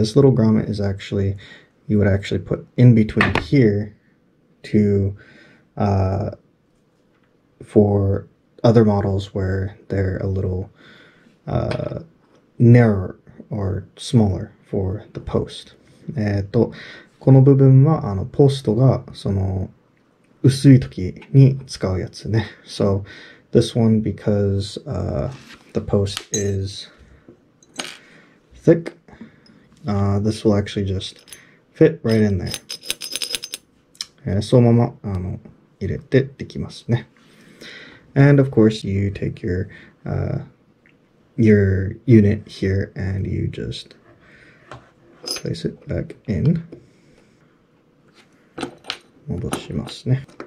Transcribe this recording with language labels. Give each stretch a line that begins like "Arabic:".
English: This little grommet is actually, you would actually put in between here to for other models where they're a little narrower or smaller for the post.
Japanese: この部分はポストがその薄い時に使うやつね。
English: So this one, because the post is thick, this will actually just fit right in there.
Japanese: そのまま入れてできますね。
English: And of course you take your unit here and you just place it back in.
Japanese: 戻しますね。